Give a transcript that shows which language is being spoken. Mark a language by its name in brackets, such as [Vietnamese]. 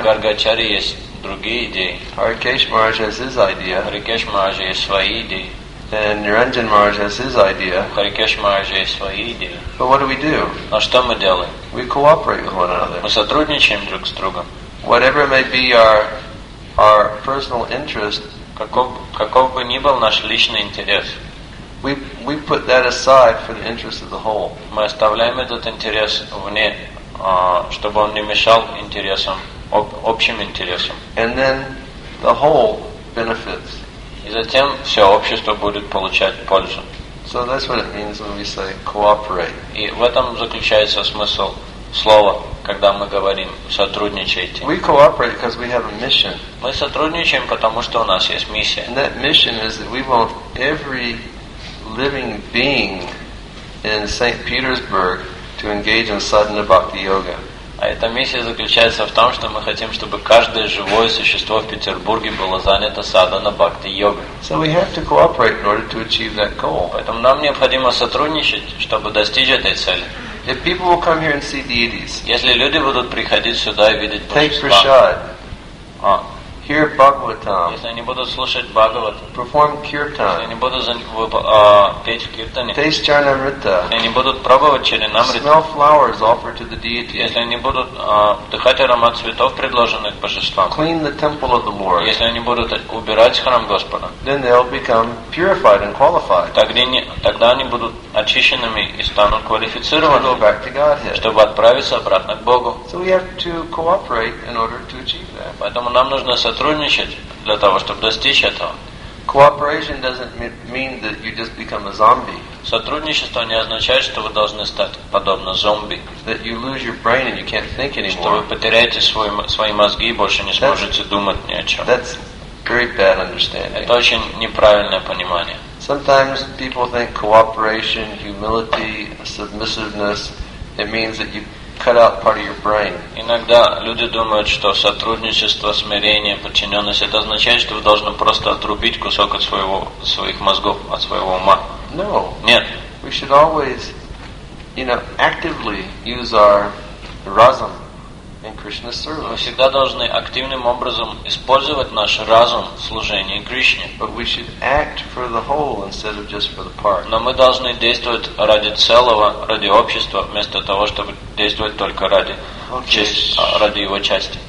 [Russian] У Гаргачари есть другие идеи. [English] Harikesh Maharaj has his idea. Harikesh Maharaj has [Russian] свои идеи. [English] Then Niranjan Maharaj has his idea. Harikesh Maharaj has [Russian] свои идеи. [English] But what do we do? [Russian] Но что мы делаем? [English] We cooperate with one another. [Russian] Мы сотрудничаем друг с другом. [English] Whatever may be our personal interest, [Russian] каков бы ни был наш личный интерес, [English] we put that aside for the interest of the whole. [Russian] Мы оставляем этот интерес вне, чтобы он не мешал интересам. Общим интересом. [English] And then the whole benefits. [Russian] И затем все общество будет получать пользу. [English] So that's what it means when we say cooperate. [Russian] И в этом заключается смысл слова, когда мы говорим сотрудничайте. [English] We cooperate because we have a mission. [Russian] Мы сотрудничаем, потому что у нас есть миссия. [English] And that mission is that we want every living being in St. Petersburg to engage in sadhana bhakti yoga. [Russian] А эта миссия заключается в том, что мы хотим, чтобы каждое живое существо в Петербурге было занято садхана бхакти йогой. [English] So we have to cooperate in order to achieve that goal. [Russian] Поэтому нам необходимо сотрудничать, чтобы достичь этой цели. [English] If people will come here and see deities, [Russian] если люди будут приходить сюда и видеть божества, [English] take prasad, hear bhagavatam, [Russian] если они будут слушать бхагаватам, [English] perform kirtan, [Russian] если они будут петь в киртане, [English] taste charanamrita, [Russian] если они будут пробовать чаринамриту, [English] smell flowers offered to the deity, [Russian] если они будут вдыхать аромат цветов, предложенных божествам, [English] clean the temple of the Lord, [Russian] если они будут убирать храм Господа, [English] then they'll become purified and qualified. [Russian] Тогда они будут очищенными и станут квалифицированными, [English] to go back to Godhead, [Russian] чтобы отправиться обратно к Богу. [English] So we have to cooperate in order to achieve that. [Russian] Поэтому нам нужно сотрудничать для того, чтобы достичь этого. [English] Cooperation doesn't mean that you just become a zombie. [Russian] Сотрудничество не означает, что вы должны стать подобно зомби. [English] That you lose your brain and you can't think anymore. [Russian] Что вы потеряете свои мозги и больше не сможете думать ни о чем. [English] That's very bad understanding. [Russian] Это очень неправильное понимание. [English] Sometimes people think cooperation, humility, submissiveness, it means that you cut out part of your brain. [Russian] Иногда люди думают, что сотрудничество, смирение, подчиненность, это означает, что вы должны просто отрубить кусок от своих мозгов, от своего ума. [English] No. [Russian] Нет. [English] We should always, you know, actively use our razum in Krishna's service. [Russian] Мы всегда должны активным образом использовать наш разум в служении Кришне. [English] But we should act for the whole instead of just for the part. [Russian] Но мы должны действовать ради целого, ради общества, вместо того, чтобы действовать только ради ради его части.